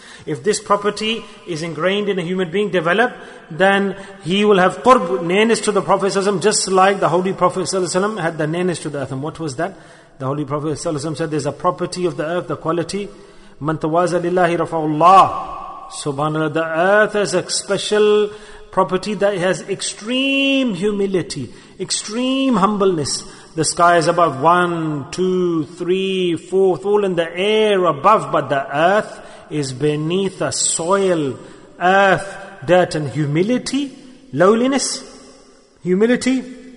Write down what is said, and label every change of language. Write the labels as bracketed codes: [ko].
[en] If this property is ingrained in a human being, developed, then he will have qurb, nearness to the Prophet, just like the Holy Prophet had the nearness to the earth. And what was that? The Holy Prophet said, there's a property of the earth, the quality. [ar] مَنْ تَوَازَ لِلَّهِ رَفَعُ اللَّهِ SubhanAllah. [en] The earth has a special property that has extreme humility, extreme humbleness. The sky is above 1, 2, 3, 4, all in the air above, but the earth is beneath us. Soil, earth, dirt, and humility, lowliness, humility.